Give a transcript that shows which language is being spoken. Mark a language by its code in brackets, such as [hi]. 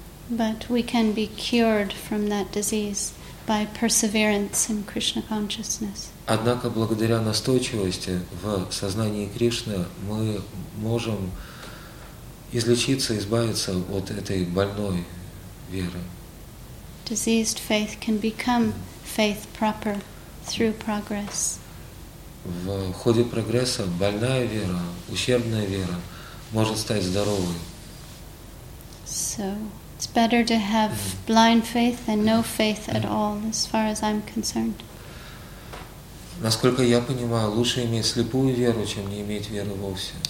[en] But we can be cured from that disease by perseverance in Krishna consciousness. [ru] Однако благодаря настойчивости в сознании Кришны мы можем излечиться, избавиться от этой больной веры. [en] Diseased faith can become faith proper. Through progress. [ru] В ходе прогресса больная вера, ущербная вера может стать здоровой. [en] So it's better to have blind faith than no faith at all, as far as I'm concerned. [ru] Насколько я понимаю, лучше иметь слепую веру, чем не иметь веры вовсе.